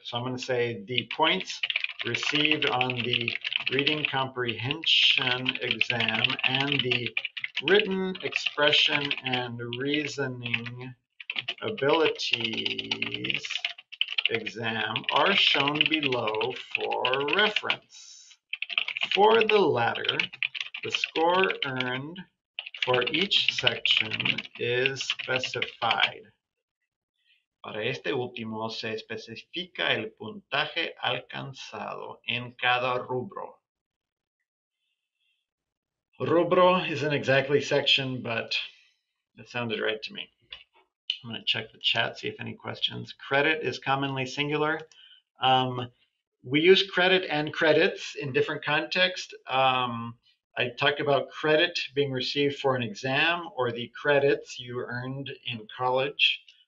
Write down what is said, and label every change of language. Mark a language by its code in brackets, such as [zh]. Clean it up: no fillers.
[en] So I'm going to say the points received on the reading comprehension exam and the written expression and reasoning abilities exam are shown below for reference. For the latter, the score earned for each section is specified. [es] Para este último, se especifica el puntaje alcanzado en cada rubro. [en] Rubro isn't exactly section, but it sounded right to me. I'm going to check the chat, see if any questions. Credit is commonly singular. We use credit and credits in different contexts. I talk about credit being received for an exam or the credits you earned in college.